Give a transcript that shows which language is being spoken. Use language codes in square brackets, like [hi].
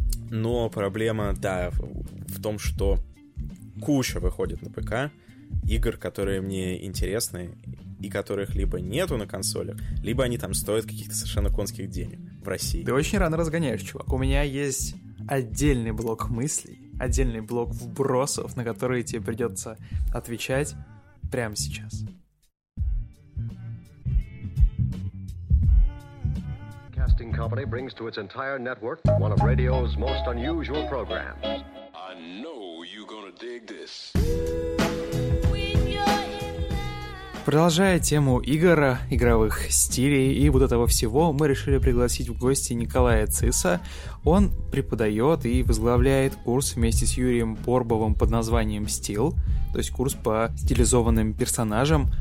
[ru] Но проблема, да, в том, что куча выходит на ПК игр, которые мне интересны, и которых либо нету на консолях, либо они там стоят каких-то совершенно конских денег в России. Ты очень рано разгоняешь, чувак. У меня есть отдельный блок мыслей, отдельный блок вбросов, на которые тебе придется отвечать прямо сейчас. [en] Casting Company brings to its entire network one of radio's most unusual programs. I know you're gonna dig this. [ru] Продолжая тему игр, игровых стилей и вот этого всего, мы решили пригласить в гости Николая Циса. Он преподает и возглавляет курс вместе с Юрием Порбовым под названием «Стил», то есть курс по стилизованным персонажам.